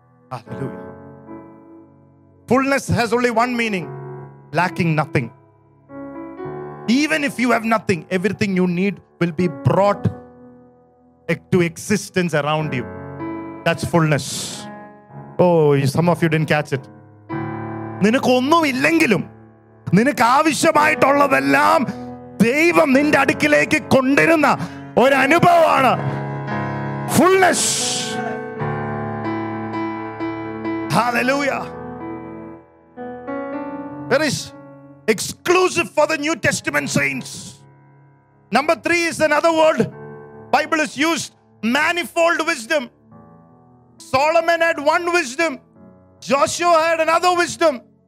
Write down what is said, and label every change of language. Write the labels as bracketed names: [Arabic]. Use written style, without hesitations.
[English] Hallelujah. Fullness has only one meaning. Lacking nothing. Even if you have nothing, everything you need will be brought to existence around you. That's fullness. Oh, some of you didn't catch it. [Malayalam] നിനക്ക് ഒന്നുമില്ലെങ്കിലും നിനക്ക് ആവശ്യമായിട്ടുള്ളതെല്ലാം ദൈവം നിന്റെ അടുക്കിലേക്ക് കൊണ്ടിരുന്ന ഒരനുഭവമാണ് fullness. [English] Hallelujah. There is exclusive for the New Testament saints. Number three is another word. Bible is used. Manifold wisdom. Solomon had one wisdom. Joshua had another wisdom.